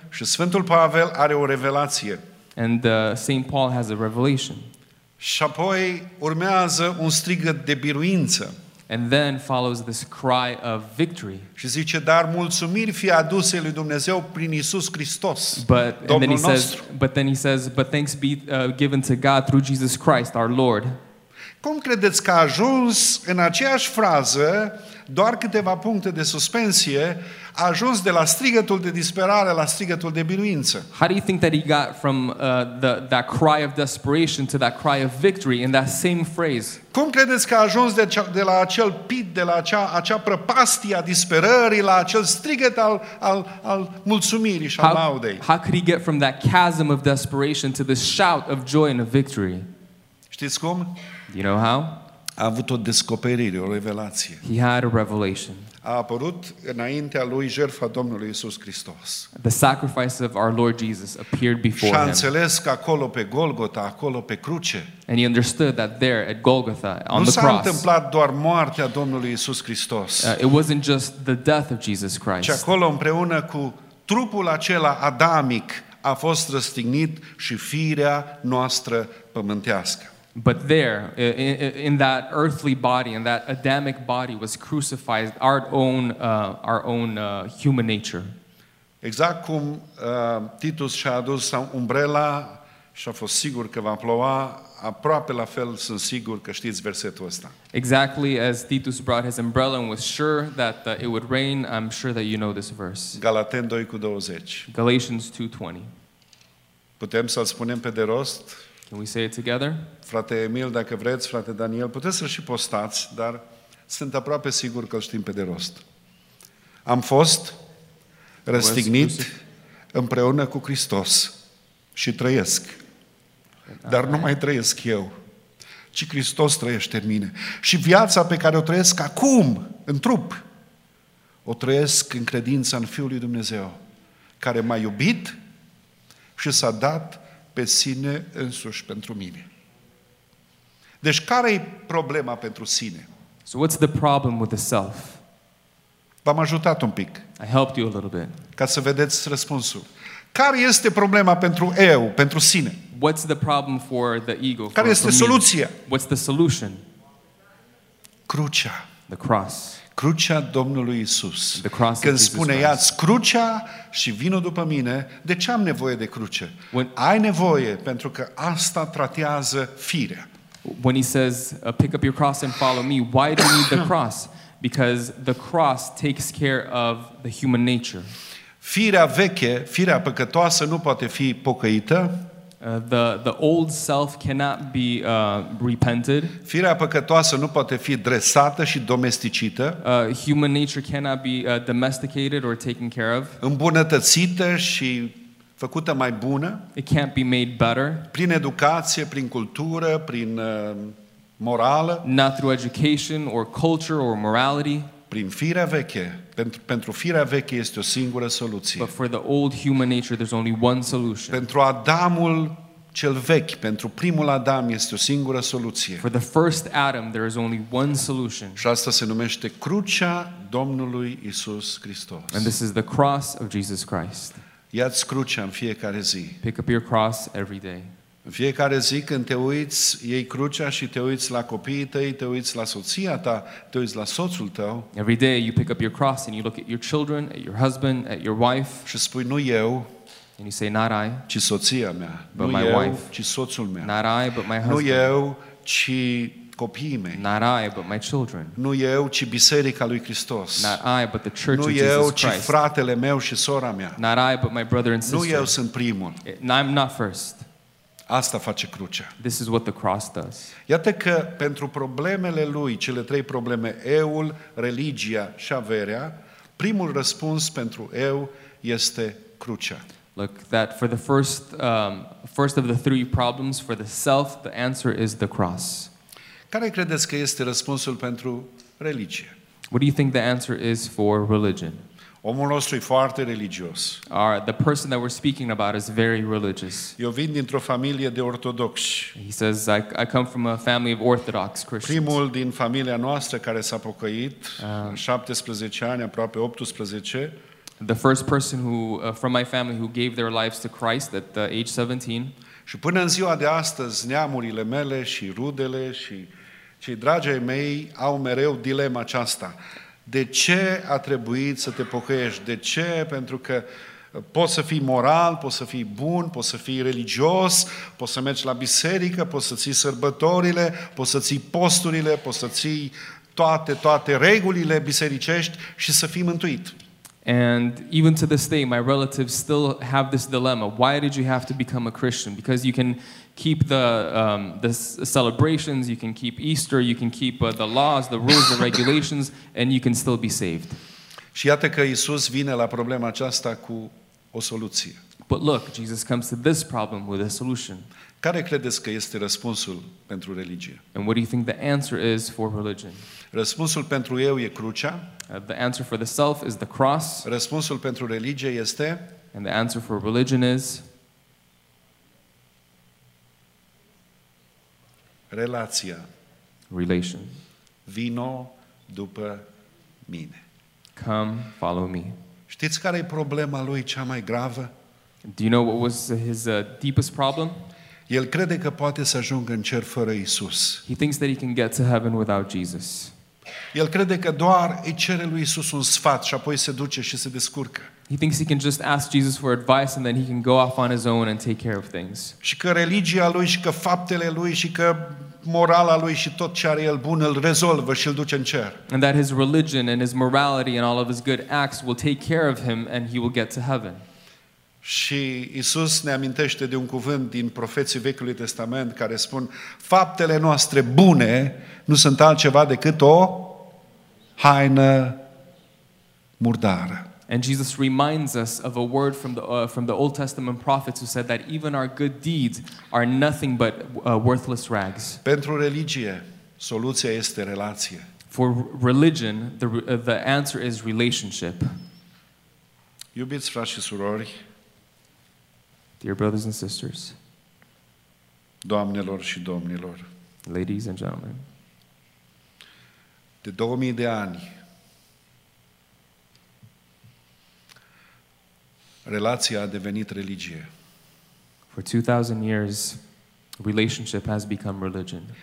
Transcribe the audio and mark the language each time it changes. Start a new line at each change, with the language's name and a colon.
Romanian: Și Sfântul Pavel are o revelație.
English: And Saint Paul has a revelation.
Romanian: Și apoi urmează un strigăt de biruință.
English: And then follows this cry of victory.
Romanian: Și zice: dar mulțumiri fie aduse lui Dumnezeu prin Iisus Hristos, Domnul nostru.
English: Says, but then he says, but thanks be given to God through Jesus Christ, our Lord.
Romanian: Cum credeți că a ajuns în aceeași frază, doar câteva puncte de suspensie, a ajuns de la strigătul de disperare la strigătul de biruință?
English: How do you think that he got from that cry of desperation to that cry of victory in that same phrase?
Romanian: Cum credeți că a ajuns de la acel
English: pit,
Romanian: de la acea prăpastie a disperării, la acel strigăt al mulțumirii și al laudei?
English: How could he get from that chasm of desperation to this shout of joy and of victory?
Romanian: Știți cum?
English: Do you know how?
Romanian: A avut o descoperire, o revelație.
English: He had a revelation.
Romanian: A apărut înaintea lui jertfa Domnului Iisus Hristos.
English: The sacrifice of our Lord Jesus appeared before him.
Romanian: Și a înțeles că acolo pe Golgota, acolo pe cruce.
English: And he understood that there at Golgotha, on the cross.
Romanian: Nu s-a întâmplat doar moartea Domnului Iisus Hristos.
English: It wasn't just the death of Jesus Christ.
Romanian: Ci acolo împreună cu trupul acela adamic a fost răstignit și firea noastră pământească.
English: But there, in that earthly body, in that Adamic body, was crucified our own human nature.
Romanian: Exact cum Titus și-a adus umbrela și a fost sigur că va ploua, aproape la fel sunt sigur că știți versetul ăsta.
English: Exactly as Titus brought his umbrella and was sure that it would rain, I'm sure that you know this verse.
Romanian: Galateni 2:20.
English: Galatians 2:20.
Romanian: Putem să-l spunem pe de rost?
English: Can we say it together?
Romanian: Frate Emil, dacă vreți, frate Daniel, puteți să-l și postați, dar sunt aproape sigur că-l știm pe de rost. Am fost răstignit împreună cu Hristos și trăiesc. Dar nu mai trăiesc eu, ci Hristos trăiește în mine. Și viața pe care o trăiesc acum, în trup, o trăiesc în credința în Fiul lui Dumnezeu, care m-a iubit și s-a dat pe sine însuși pentru mine. Deci care e problema pentru sine?
English: So what's the problem with the self?
Romanian: V-am ajutat un pic.
English: I helped you a little bit.
Romanian: Ca să vedeți răspunsul. Care este problema pentru eu, pentru sine?
English: What's the problem for the ego?
Romanian: Care este soluția?
English: What's the solution?
Romanian: Crucea.
English: The cross.
Romanian: crucea Domnului Iisus.
English: The cross
Romanian: când
English: of
Romanian: spune,
English: Jesus Christ.
Romanian: Ia-ți crucea și vină după mine, de ce am nevoie de cruce?
English: When,
Romanian: ai nevoie pentru că asta tratează firea.
English: When he says, pick up your cross and follow me, why do you need the cross? Because the cross takes care of the human nature.
Romanian: Firea veche, firea păcătoasă, nu poate fi pocăită.
English: The old self cannot be repented.
Romanian: Firea păcătoasă nu poate fi dresată și domesticită.
English: Human nature cannot be domesticated or taken care of.
Romanian: Îmbunătățită și făcută mai bună.
English: It can't be made better.
Romanian: Prin educație, prin cultură, prin morală.
English: Not through education or culture or morality.
Romanian: Prin firea veche. Pentru firea veche este o singură soluție.
English: But for the old human nature, there's only one solution.
Romanian: Pentru Adamul cel vechi, pentru primul Adam este o singură soluție.
English: For the first Adam, there is only one solution.
Romanian: Și asta se numește crucea Domnului Iisus Hristos.
English: And this is the cross of Jesus Christ.
Romanian: Ia-ți crucea în fiecare zi.
English: Pick up your cross every day.
Romanian: În fiecare zi când te uiți, iei crucea și te uiți la copiii tăi, te uiți la soția ta, te uiți la soțul tău.
English: Every day you pick up your cross and you look at your children, at your husband, at your wife.
Romanian: Și spui, nu eu.
English: And you say, not I.
Romanian: Ci soția mea.
English: But
Romanian: nu
English: my
Romanian: eu,
English: wife.
Romanian: Ci soțul meu.
English: Not I, but my husband.
Romanian: Nu eu, ci copiii mei.
English: Not I, but my children.
Romanian: Nu eu, ci biserica lui Hristos.
English: Not I, but the church
Romanian: nu
English: of Jesus
Romanian: eu,
English: Christ.
Romanian: Nu eu, ci fratele meu și sora mea.
English: Not I, but my brother and sister.
Romanian: Nu eu sunt primul.
English: I'm not first.
Romanian: Asta face crucea.
English: This is what the cross does.
Romanian: Iată că pentru problemele lui, cele trei probleme, euul, religia și averea, primul răspuns pentru eu este crucea.
English: Look, that for the first of the three problems, for the self, the answer is the cross.
Romanian: Care credeți că este răspunsul pentru religie?
English: What do you think the answer is for religion?
Romanian: Omul nostru e foarte religios.
English: The person that we're speaking about is very religious.
Romanian: Eu vin dintr-o familie de ortodoxi.
English: He says, I come from a family of Orthodox Christians.
Romanian: Primul din familia noastră care s-a pocăit, 17 ani, aproape 18.
English: The first person who, from my family who gave their lives to Christ at the age 17.
Romanian: Și până în ziua de astăzi, neamurile mele și rudele și cei dragi ai mei au mereu dilema aceasta. De ce a trebuit să te pocăiești? De ce? Pentru că poți să fii moral, poți să fii bun, poți să fii religios, poți să mergi la biserică, poți să ții sărbătorile, poți să ții posturile, poți să ții toate regulile bisericești și să fii mântuit.
English: And even to this day, my relatives still have this dilemma. Why did you have to become a Christian? Because you can keep the celebrations, you can keep Easter, you can keep the laws, the rules, the regulations, and you can still be saved.
Romanian: Și iată că Iisus vine la problema aceasta cu o soluție.
English: But look, Jesus comes to this problem with a solution.
Romanian: Care credeți că este răspunsul pentru religie?
English: And what do you think the answer is for religion?
Romanian: Răspunsul pentru eu e crucea.
English: The answer for the self is the cross.
Romanian: Răspunsul pentru religie este.
English: And the answer for religion is.
Romanian: Relația.
English: Relation.
Romanian: Vino după mine.
English: Come, follow me.
Romanian: Știți care e problema lui cea mai gravă?
English: Do you know what was his deepest problem?
Romanian: El crede că poate să ajungă în cer fără Iisus.
English: He thinks that he can get to heaven without Jesus.
Romanian: El crede că doar îi cere lui Iisus un sfat și apoi se duce și se descurcă.
English: He thinks he can just ask Jesus for advice and then he can go off on his own and take care of things.
Romanian: Și că religia lui și că faptele lui și că morala lui și tot ce are el bun îl rezolvă și îl duce în cer.
English: And that his religion and his morality and all of his good acts will take care of him and he will get to heaven.
Romanian: Și Iisus ne amintește de un cuvânt din profeții Vechiului Testament care spun faptele noastre bune nu sunt altceva decât o haină murdară.
English: And Jesus reminds us of a word from the Old Testament prophets who said that even our good deeds are nothing but worthless rags.
Romanian: Pentru religie, soluția este relație.
English: For religion, the answer is relationship.
Romanian: Iubiți frați și surori,
English: dear brothers and sisters,
Romanian: doamnelor și domnilor,
English: ladies and gentlemen,
Romanian: de 2000 de ani, relația a devenit religie.
English: For 2000 years, relationship has become religion.